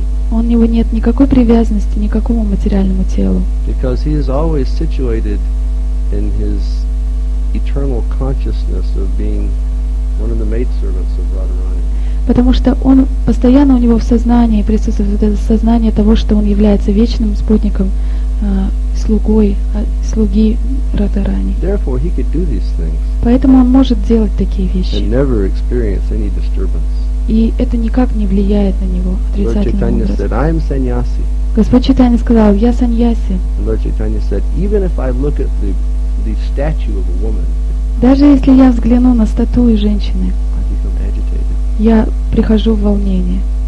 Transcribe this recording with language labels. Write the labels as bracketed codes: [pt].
[ru] У него нет никакой привязанности никакому материальному телу. [en] Because he is always situated in his eternal consciousness of being one of the maidservants of Radharani. [ru] Потому что он постоянно у него в сознании присутствует это сознание того, что он является вечным спутником, слуги Радхарани. [en] Therefore, he could do these things. [ru] Поэтому он может делать такие вещи. [en] And never experience any disturbance. [ru] И это никак не влияет на него отрицательным образом. [en] Lord Chaitanya said, "I'm sannyasi." [ru] Господь Чайтанья сказал, я саньяси. [en] And Lord Chaitanya said, "Even if I look at the statue of a woman." [ru] Даже если я взгляну на статую женщины. Я прихожу в волнение.